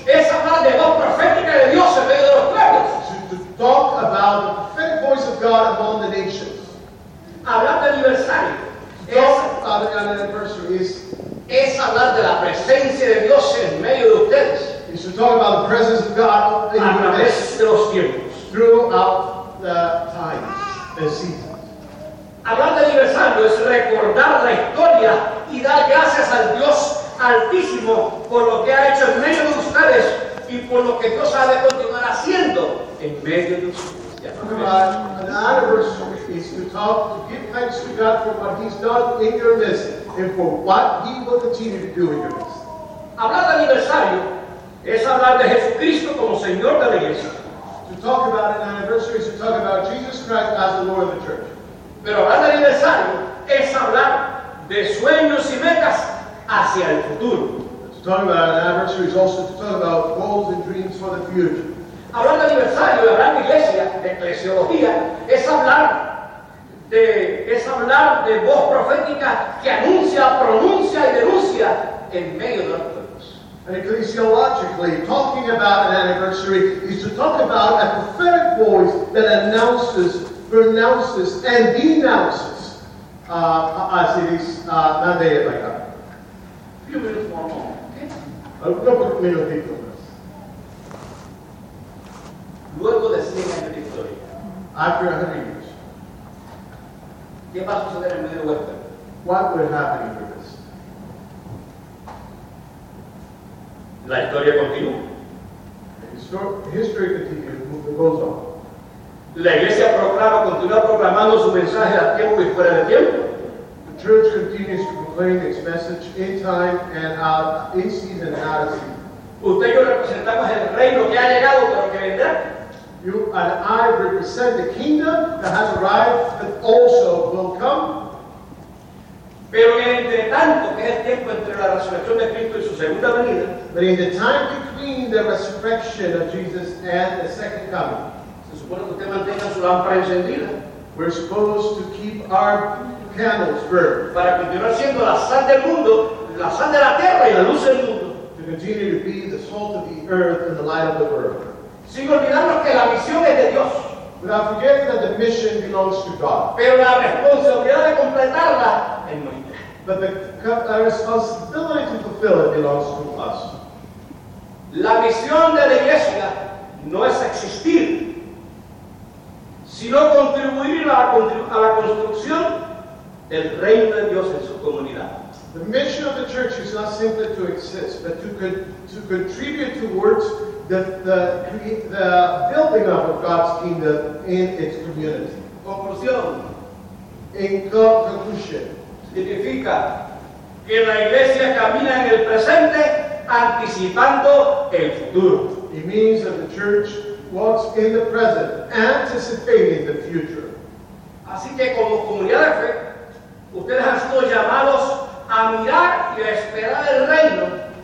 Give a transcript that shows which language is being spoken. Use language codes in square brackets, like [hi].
[es] Es hablar de voz profética de Dios en medio de los pueblos. [en] To talk about the prophetic voice of God among the nations. [es] Hablar de aniversario. [en] Talk about an anniversary is [es] hablar de la presencia de Dios en medio de ustedes. [en] It's to talk about the presence of God in your midst. [es] De los tiempos. [en] Throughout the times and seasons. [es] Hablar de aniversario es recordar la historia y dar gracias al Dios Altísimo por lo que ha hecho en medio de ustedes y por lo que Dios ha de continuar haciendo en medio de ustedes. [en] An anniversary is to talk, to give thanks to God for what He's done in your midst and for what He will continue to do in your midst. [es] Hablar de aniversario es hablar de Jesucristo como Señor de la Iglesia. [en] To talk about an anniversary is to talk about Jesus Christ as the Lord of the Church. [es] Pero hablar de aniversario es hablar de sueños y metas hacia el futuro. [en] To talk about an anniversary is also to talk about goals and dreams for the future. [es] Hablar de aniversario, hablar de iglesia, de eclesiología, es hablar de voz profética que anuncia, pronuncia y denuncia en medio de los pueblos. [en] And ecclesiologically, talking about an anniversary is to talk about a prophetic voice that announces, pronounces, and denounces as it is that day of my God. Few minutes more, okay? [es] Un poco de minutito. Luego de 100 años de historia. [en] After 100 years. [es] ¿Qué va a suceder en medio de Western? [en] What would happen for this? [es] La historia continúa. [en] History continues, it goes on. [es] La iglesia continúa proclamando su mensaje a tiempo y fuera de tiempo. [en] The church continues to proclaim its message in time and out, in season and out of season. [es] Usted y yo representamos el reino que ha llegado, pero que vendrá. [en] You and I represent the kingdom that has arrived, but also will come. [es] Pero entre tanto, que es el tiempo entre la resurrección de Cristo y su segunda venida. [en] But in the time between the resurrection of Jesus and the second coming, [es] se supone que usted mantenga su lámpara encendida. [en] We're supposed to keep our candles burning. [es] Para continuar siendo la sal del mundo, la sal de la tierra y la luz del mundo. [en] To continue to be the salt of the earth and the light of the world. [es] Sin olvidarnos que la misión es de Dios. [en] Without forgetting that the mission belongs to God. [es] Pero la responsabilidad de completarla es nuestra. [en] But the responsibility to fulfill it belongs to us. [es] La misión de la iglesia no es existir, sino contribuir a la construcción del reino de Dios en su comunidad. [en] The mission of the church is not simply to exist, but to contribute towards the building up of God's kingdom in its community. [es] Conclusión. [en] In conclusion. [es] Significa que la iglesia camina en el presente anticipando el futuro. [en] It means that the church walks in the present, anticipating the future. [es] Así que como comunidad de fe, ustedes han sido llamados a mirar y a esperar el reino.